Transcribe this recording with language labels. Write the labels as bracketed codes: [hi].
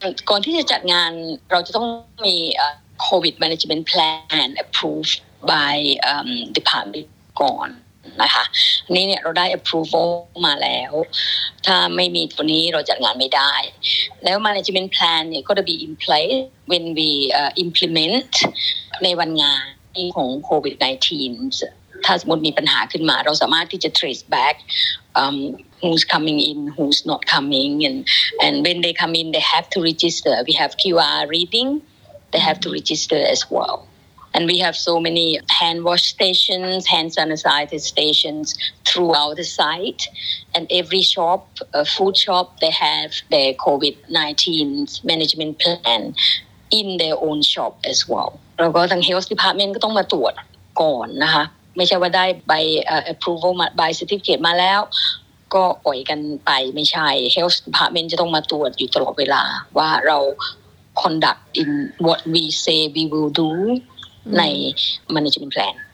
[th] ก่อนที่จะจัดงานเราจะต้องมี [en] COVID management plan approved by department [th] ก่อนนะคะนี่เนี่ยเราได้ approval มาแล้วถ้าไม่มีตัวนี้เราจัดงานไม่ได้แล้ว management plan เนี่ยก็จะ [en] be in place when we implement [th] ในวันงานของ COVID-19 ถ้าสมมติมีปัญหาขึ้นมาเราสามารถที่จะ [en] trace backwho's coming in, who's not coming and when they come in, they have to register. We have QR readingthey have to register as well. And we have so many hand wash stations, hand sanitizer stations throughout the site. And every shop, food shop, they have their COVID-19 management plan in their own shop as well. [th] แล้วก็ทาง Health Department ก็ต้องมาตรวจก่อนนะคะไม่ใช่ว่าได้ใบ approval มาใบ certificate มาแล้วก็ปล่อยกันไปไม่ใช่ Health Department จะต้องมาตรวจอยู่ตลอดเวลาว่าเรา [en] conduct in what we say we will do [th] ใน management plan